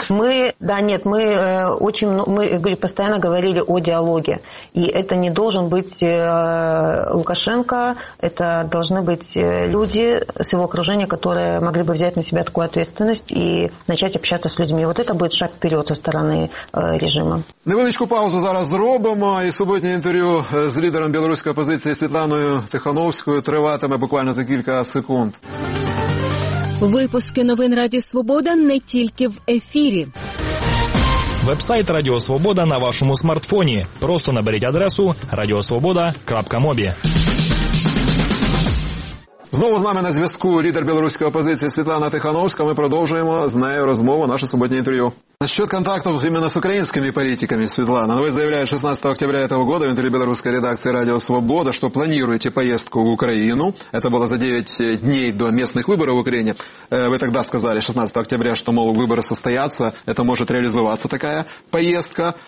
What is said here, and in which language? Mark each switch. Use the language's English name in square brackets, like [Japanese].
[Russian] Мы говорю, постоянно говорили о диалоге. И это не должен быть Лукашенко, это должны быть люди с его окружения, которые могли бы взять на себя такую ответственность и начать общаться с людьми. Вот это будет шаг вперед со стороны режима. [Ukrainian] Невеличку паузу зараз зробимо. І суботнє інтерв'ю з лідером білоруської опозиції Світланою Тихановською триватиме буквально за кілька секунд. Випуски новин Радіо Свобода не тільки в ефірі. Вебсайт Радіо Свобода на вашому смартфоні. Просто наберіть адресу radiosvoboda.mobi. Знову з нами на зв'язку лідер білоруської опозиції Світлана Тихановська. Ми продовжуємо з нею розмову, наше суботнє інтерв'ю. [Russian] Насчет контактов именно с украинскими политиками, Светлана, вы заявляете 16 октября этого года в интервью белорусской редакции «Радио Свобода», что планируете поездку в Украину. Это было за 9 дней до местных выборов в Украине. Вы тогда сказали 16 октября, что, мол, выборы состоятся, это может реализоваться такая поездка.